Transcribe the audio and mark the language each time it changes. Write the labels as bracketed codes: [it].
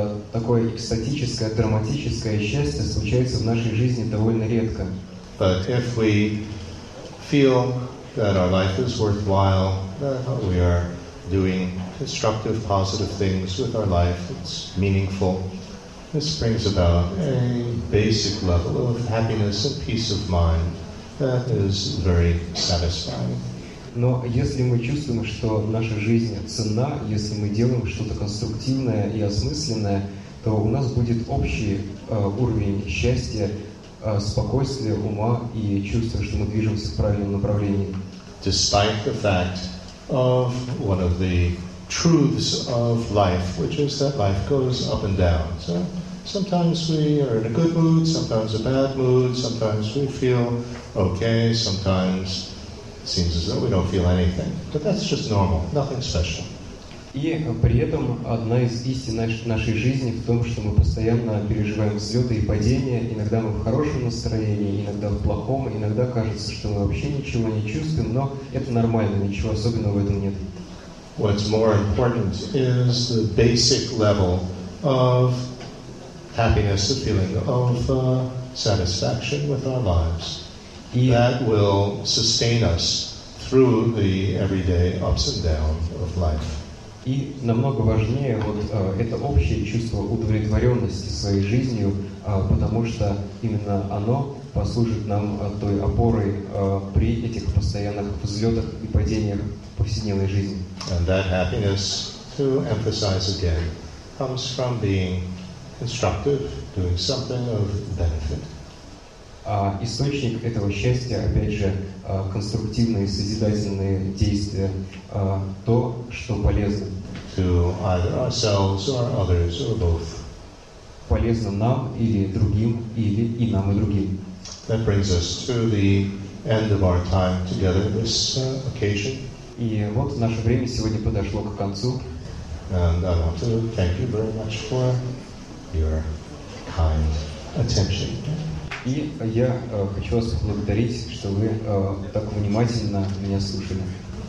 [ru] Такое экстатическое, драматическое счастье случается в нашей жизни довольно редко. [en] But if we feel that our life is worthwhile, that we are doing constructive, positive things with our life, it's meaningful. This brings about a basic level of happiness and peace of mind that is very satisfying. [ru] Но если мы чувствуем, что наша жизнь ценна, если мы делаем что-то конструктивное и осмысленное, то у нас будет общий уровень счастья, спокойствия, ума и чувства, что мы движемся в правильном направлении. [en] Despite the fact of one of the truths of life, which is that life goes up and down. So sometimes we are in a good mood, sometimes a bad mood, sometimes we feel okay, sometimes it seems as though we don't feel anything. But that's just normal, nothing special. [ru] И при этом одна из истин нашей жизни в том, что мы постоянно переживаем взлеты и падения. Иногда мы в хорошем настроении, иногда в плохом, иногда кажется, что мы вообще ничего не чувствуем, но это нормально, ничего особенного в этом нет. [en] What's more important is the basic level of happiness, the feeling of satisfaction with our lives. That will sustain us through the everyday ups and downs of life. [ru] И намного важнее это общее чувство удовлетворенности своей жизнью, потому что именно оно послужит нам той опорой при этих постоянных взлетах и падениях повседневной жизни. [en] And that happiness, to emphasize again, comes from being constructive, doing something of benefit. [ru] А источник этого счастья, опять же, конструктивные, созидательные действия, то, что полезно. [en] to either ourselves or others or both. [ru] Полезно нам или другим, или и нам, и другим. [en] That brings us to the end of our time together this occasion. [ru] И вот наше время сегодня подошло к концу. [en] And I want to thank you very much for your kind attention. [ru] И я хочу вас поблагодарить, что вы так внимательно меня слушали.